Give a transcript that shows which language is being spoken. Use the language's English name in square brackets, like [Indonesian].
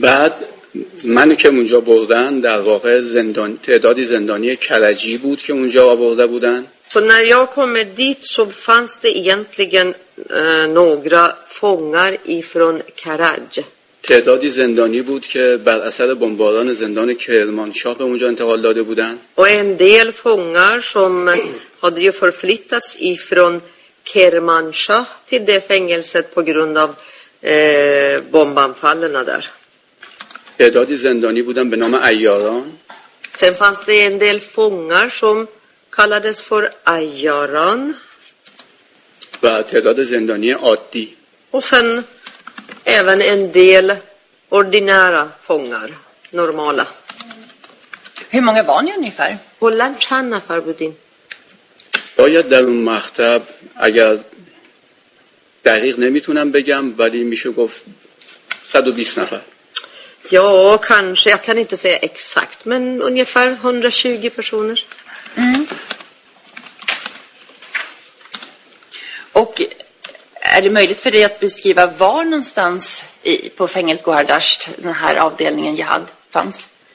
[Persian] بعد منو که اونجا بردن در واقع زندان تعدادی زندانی کرجی بود که اونجا آورده بودن. [Swedish] När jag kom dit så fanns det egentligen några fångar ifrån Karaj. [Persian] تعدادی زندانی بود که بر اثر بمباران زندان کرمانشاه به اونجا انتقال داده بودن. [Swedish] Och en del fångar som hade ju förflyttats ifrån Kermanshah till det fängelset på grund av bombanfallen där. [Persian] تعدادی زندانی بودن به نام عیاران. [Swedish] Sen fanns det en del fångar som kallades för عیاران. [Persian] و تعداد زندانی عادی. [Swedish] Och sen även en del ordinära fångar, normala. Hur många var ni ungefär? Hvor mange var budin? [Persian] باید در اون مکتب اگر دقیق نمیتونم بگم ولی میشه گفت 120 نفر. [Swedish] Ja, kanske. Jag kan inte säga exakt, men ungefär 120 personer. Mm. Och är det möjligt för dig att beskriva var någonstans i, på fängelset Gohardasht den här avdelningen jihad fanns?